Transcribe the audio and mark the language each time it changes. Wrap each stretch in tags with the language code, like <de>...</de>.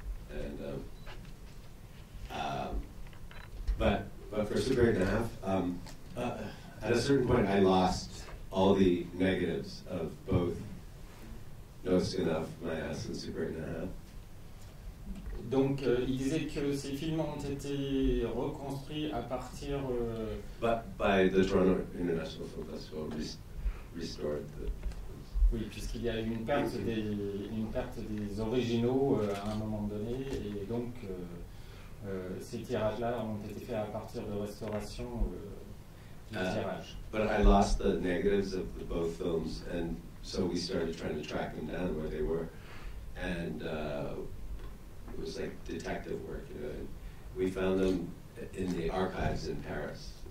<en>And but for Super 8.5, at a certain point I lost all the negatives of both Dosk Enough, My Ass, and Super 8.5.</en> <fr>Donc il disait que ces films ont été reconstruits à partir</fr> <en>By the Toronto International Film Festival restored the.</en> <fr>Oui, puisqu'il y a eu une perte des originaux à un moment donné, et donc ces tirages-là ont été faits à partir de restauration des tirages.</fr> <en>But I lost the negatives of the both films, and so we started trying to track them down where they were, and it was like detective work, you know. And we found them in the archives in Paris.</en>